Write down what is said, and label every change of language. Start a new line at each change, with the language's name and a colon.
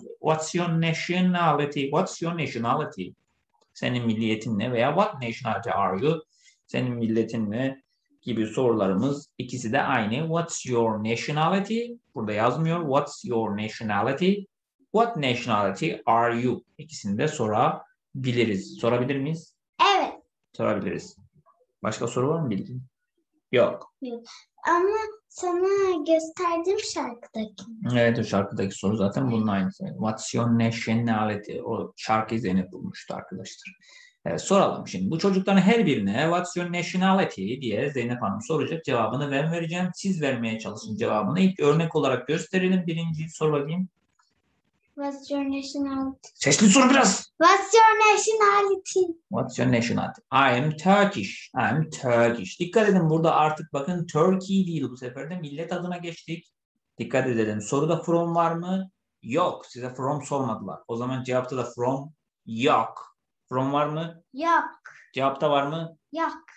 English: What's your nationality? What's your nationality?
Turkish: Senin milliyetin ne?
English: Veya what nationality are you?
Turkish: Senin milletin mi? Gibi sorularımız ikisi de aynı.
English: What's your nationality?
Turkish: Burada yazmıyor.
English: What's your nationality? What nationality are you?
Turkish: İkisini de sorabiliriz. Sorabilir miyiz? Sorabiliriz. Başka soru var mı bildiğin? Yok. yok. Ama sana Evet, o şarkıdaki soru zaten bunun aynısı.
English: What's your nationality?
Turkish: O şarkı izleyeni bulmuştu arkadaşlar. Evet, soralım şimdi. Bu çocukların her birine
English: What's your nationality
Turkish: diye Zeynep Hanım soracak. Cevabını ben vereceğim. Siz vermeye çalışın cevabını. İlk örnek olarak gösterelim. Birinci soru bakayım.
English: nationality?
Turkish: Sesli soru biraz.
English: What's your nationality? What's your nationality? I am Turkish. I am Turkish.
Turkish: Dikkat edin burada artık bakın Turkey değil bu sefer de millet adına geçtik. Dikkat edelim. Soruda from var mı? Yok. Size from sormadılar. O zaman cevapta da from yok. From var mı? Yok. Cevapta var mı? Yok.